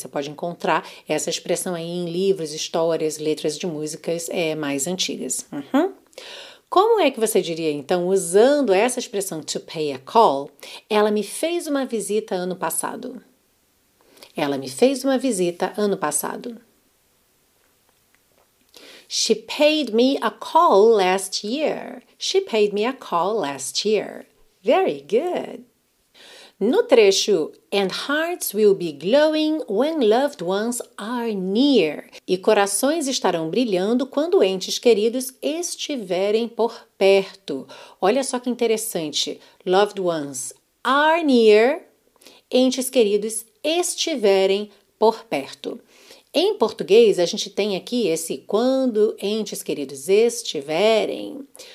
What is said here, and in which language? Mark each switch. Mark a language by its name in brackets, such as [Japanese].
[Portuguese] Você pode encontrar essa expressão aí em livros, histórias, letras de músicas mais antigas. Como é que você diria, então, usando essa expressão [English] to pay a call? [Portuguese] Ela me fez uma visita ano passado. Ela me fez uma visita ano passado. [English] She paid me a call last year. She paid me a call last year. Very good. [Portuguese] No trecho, [English] and hearts will be glowing when loved ones are near. [Portuguese] E corações estarão brilhando quando entes queridos estiverem por perto. Olha só que interessante. [English] Loved ones are near. [Portuguese] Entes queridos estiverem por perto. Em português, a gente tem aqui esse quando entes queridos estiverem.